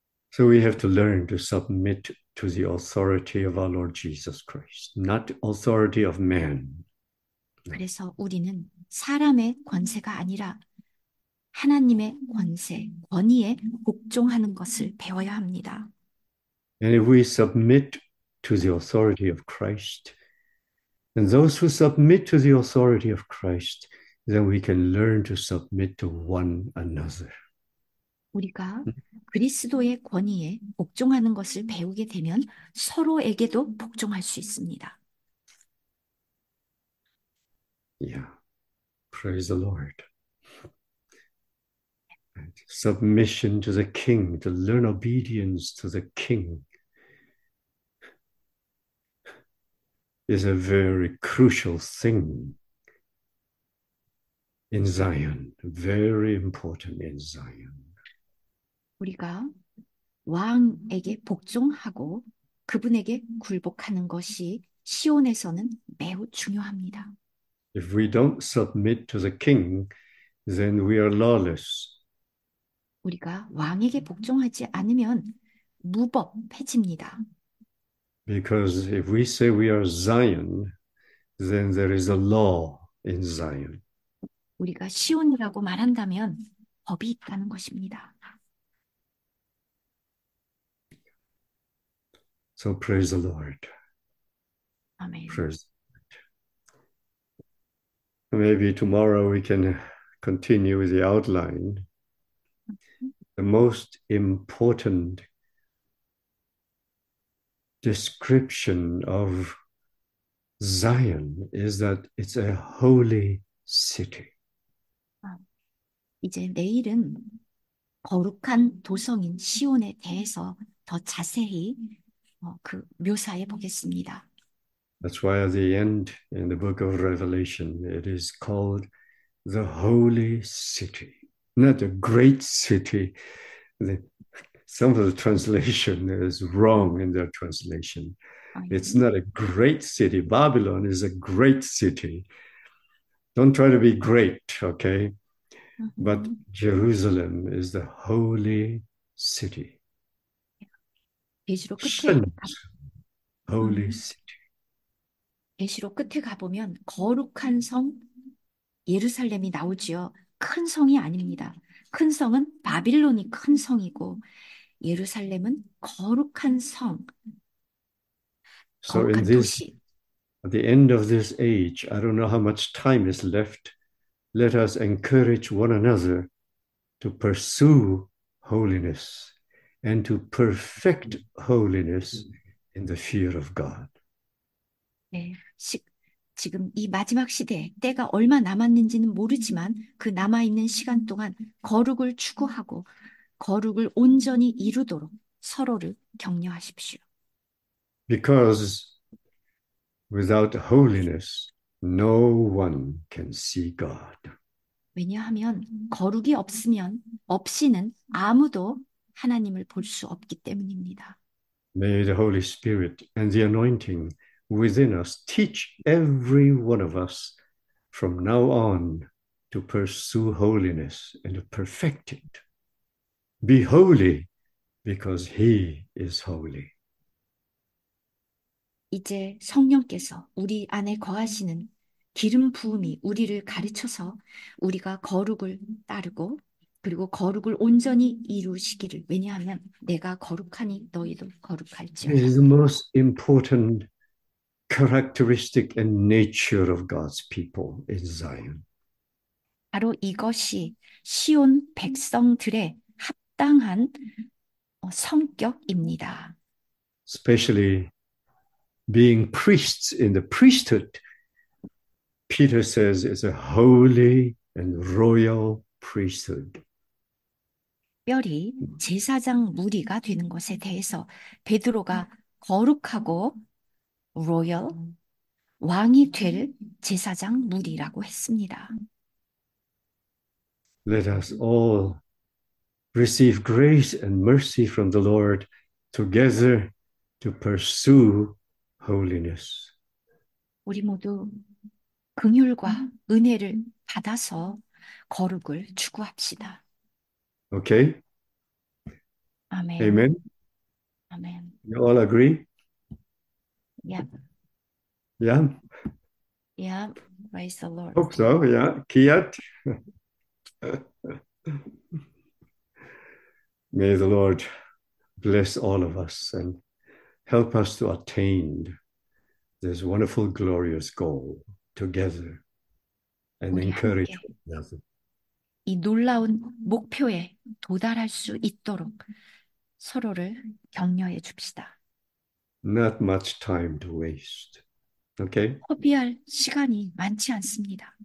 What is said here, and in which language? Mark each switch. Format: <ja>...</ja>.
<en>So we have to learn to submit to the authority of our Lord Jesus Christ, not authority of man.</en> <ko>그래서 우리는 사람의 권세가 아니라 하나님의 권세, 권위에 복종하는 것을 배워야 합니다.</ko> <en>And if we submit to the authority of Christ, and those who submit to the authority of Christ, then we can learn to submit to one another.</en> <ko>우리가 그리스도의 권위에 복종하는 것을 배우게 되면 서로에게도 복종할 수 있습니다.</ko> <en>Praise the Lord. Submission to the King, to learn obedience to the King, is a very crucial thing in Zion, very important in Zion.</en> <ko>우리가 왕에게 복종하고 그분에게 굴복하는 것이 시온에서는 매우 중요합니다.</ko> <en>If we don't submit to the king, then we are lawless.</en> <ko>우리가 왕에게 복종하지 않으면 무법해집니다.</ko> <en>Because if we say we are Zion, then there is a law in Zion.</en> <ko>우리가 시온이라고 말한다면 법이 있다는 것입니다.</ko> <en>So praise the Lord.</en> <ko>아멘.</ko> <en>Praise the Lord. Maybe tomorrow we can continue with the outline. The most important description of Zion is that it's a holy city.</en> <ko>이제 내일은 거룩한 도성인 시온에 대해서 더 자세히 그 묘사해 보겠습니다.</ko> <en>That's why at the end in the book of Revelation, it is called the Holy City, not a great city. Some of the translation is wrong in their translation. It's not a great city. Babylon is a great city. Don't try to be great, okay? But Jerusalem is the holy city.</en> <ko>계시록 끝에</ko> <en>Shouldn't. Holy city.</en> <ko>계시록 끝에 가보면 거룩한 성 예루살렘이 나오지요. 큰 성이 아닙니다. 큰 성은 바빌론이 큰 성이고 예루살렘은 거룩한 성,</ko> <en>So in</en> <ko>거룩한 도시.</ko> <en>at the end of this age, I don't know how much time is left. Let us encourage one another to pursue holiness and to perfect holiness in the fear of God.</en> <ko>네, 지금 이 마지막 시대에 때가 얼마 남았는지는 모르지만 그 남아있는 시간 동안 거룩을 추구하고 거룩을 온전히 이루도록 서로를 격려하십시오.</ko> <en>Because without holiness, no one can see God.</en> <ko>왜냐하면 거룩이 없이는 아무도 하나님을 볼수 없기 때문입니다.</ko> <en>May the Holy Spirit and the anointing within us teach every one of us from now on to pursue holiness and to perfect it. Be holy because He is holy.</en> <ko>이제 성령께서 우리 안에 거하시는 기름 부음이 우리를 가르쳐서 우리가 거룩을 따르고 그리고 거룩을 온전히 이루시기를. 왜냐하면 내가 거룩하니 너희도</ko> <en>It</en> <ko>거룩할지어다.</ko> <en>is the most important characteristic and nature of God's people in Zion.</en> <ko>바로 이것이 시온 백성들의 합당한 성격입니다.</ko> <en>Especially being priests in the priesthood, Peter says, is a holy and royal priesthood.</en> <ko>특별히 제사장 무리가 되는 것에 대해서 베드로가 거룩하고 로열 왕이 될 제사장 무리라고 했습니다.</ko> <en>Let us all receive grace and mercy from the Lord together to pursue holiness.</en> <ko>우리 모두 긍휼과 은혜를 받아서 거룩을 추구합시다.</ko> <en>Okay.</en> <ko>아멘. 아멘. 아멘.</ko> <en>You all agree? Yep. Yeah. Yep. Praise the Lord. Hope so. Yeah. Kiat. May the Lord bless all of us and help us to attain this wonderful, glorious goal together and</en> <ko>우리</ko> <en>encourage</en> <ko>함께</ko> <en>one another.</en> <ko>이 놀라운 목표에 도달할 수 있도록 서로를 격려해 줍시다.</ko> <en>Not much time to waste. Okay?</en> <ko>허비할 시간이 많지 않습니다.</ko>